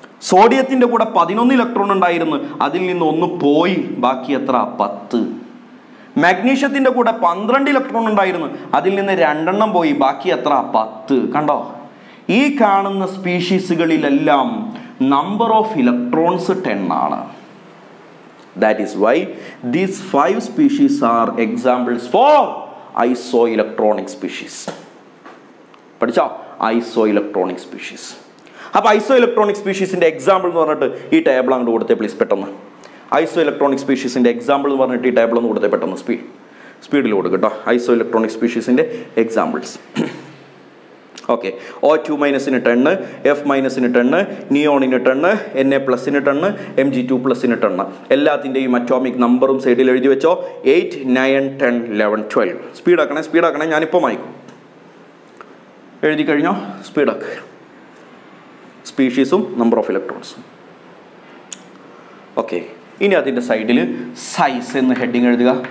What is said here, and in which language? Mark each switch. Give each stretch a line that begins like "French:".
Malayalam: സോഡിയത്തിൻ്റെ കൂടെ 11 ഇലക്ട്രോൺ ഉണ്ടായിരുന്നു, അതിൽ നിന്ന് 1 പോയി, ബാക്കി എത്ര? 10. മഗ്നീഷ്യത്തിൻ്റെ കൂടെ 12 ഇലക്ട്രോൺ ഉണ്ടായിരുന്നു, അതിൽ നിന്ന് 2 എണ്ണം പോയി, ബാക്കി എത്ര? 10. കണ്ടോ, ഈ കാണുന്ന സ്പീഷീസുകളിലെല്ലാം നമ്പർ ഓഫ് ഇലക്ട്രോൺസ് 10 ആണ്.
English: That is why these 5 species are examples for isoelectronic species.
Malayalam: പഠിച്ചോ, isoelectronic species. അപ്പൊ isoelectronic സ്പീഷീസിന്റെ എക്സാമ്പിൾ എന്ന് പറഞ്ഞിട്ട് ഈ ടേബിൾ അങ്ങോട്ട് കൊടുത്തേ പ്ലീസ് പെട്ടെന്ന്. isoelectronic സ്പീഷീസിന്റെ എക്സാമ്പിൾ എന്ന് പറഞ്ഞിട്ട് ഈ ടേബിൾ ഒന്ന് കൊടുത്തേ പെട്ടെന്ന്, സ്പീഡിൽ കൊടുക്കും കേട്ടോ. isoelectronic സ്പീഷീസിന്റെ examples. Okay, O2- 10, F- 10, നിയോണിന് 10, Na+ 10, Mg2+ 10. എല്ലാത്തിൻ്റെയും അറ്റോമിക് നമ്പറും സൈഡിൽ എഴുതി വെച്ചോ. 8, 9, 10, 11, 12. സ്പീഡാക്കണേ, ഞാനിപ്പോൾ മായ്ക്കും. എഴുതി കഴിഞ്ഞോ, സ്പീഡാക്ക്. സ്പീഷീസും നമ്പർ ഓഫ് ഇലക്ട്രോൺസും. ഓക്കെ, ഇനി അതിൻ്റെ സൈഡിൽ സൈസ് എന്ന് ഹെഡിങ് എഴുതുക.